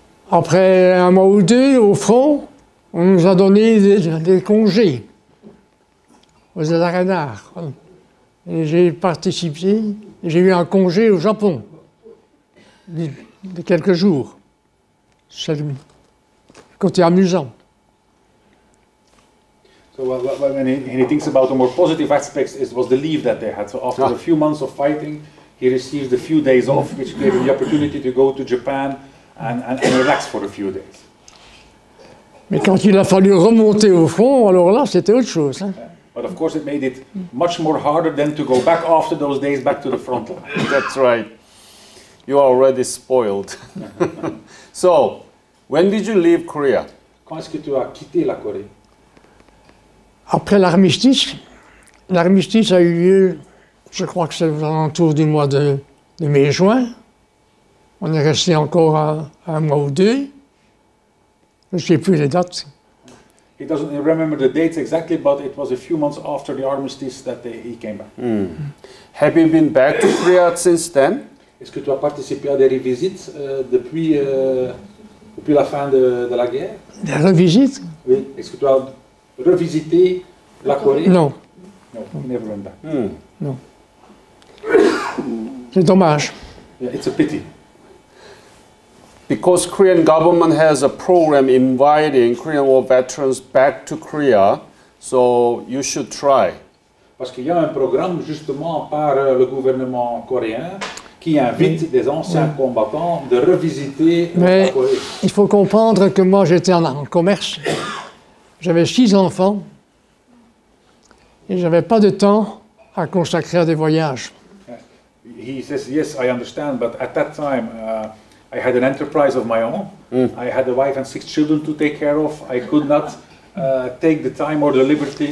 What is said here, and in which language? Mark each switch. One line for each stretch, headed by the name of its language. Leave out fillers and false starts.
French: Après un mois ou deux au front, on nous a donné des congés. Aux arénards. Et j'ai participé, et j'ai eu un congé au Japon de quelques jours. C'est le côté amusant.
English: So when he thinks about the more positive aspects, it was the leave that they had. So after a few months of fighting, he received a few days off, which gave him the opportunity to go to Japan and relax for a few days.
French: Mais quand il a fallu remonter au front, alors là, c'était autre chose. Hein.
English: But of course, it made it much more harder than to go back after those days back to the front line. That's right. You are already spoiled. So, when did you leave Korea?
French: Quand est-ce que tu as quitté la Corée? Après l'armistice. L'armistice a eu lieu, je crois que c'est aux alentours du mois de mai-juin. On est resté encore un mois ou deux. Je ne sais plus les dates.
English: He doesn't remember the dates exactly, but it was a few months after the armistice that he came back. Mm. Have you been back to Korea since then?
French: Est-ce que tu as participé à des revisites depuis la fin de la guerre? Des revisites? Oui. Est-ce que tu as revisité la Corée? Non.
English: No, he never went back. Mm.
French: Non. C'est dommage.
English: Yeah, it's a pity. Because Korean government has a program inviting Korean War veterans back to Korea, so you should try.
French: Parce qu'il y a un programme justement par le gouvernement coréen qui invite des anciens combattants de revisiter Mais la Corée. Il faut comprendre que moi j'étais en commerce, j'avais 6 enfants et je n'avais pas de temps à consacrer à des voyages.
English: He says, yes, I understand, but at that time, I had an enterprise of my own. I had a wife and 6 children to take care of. I could not take the time or the liberty.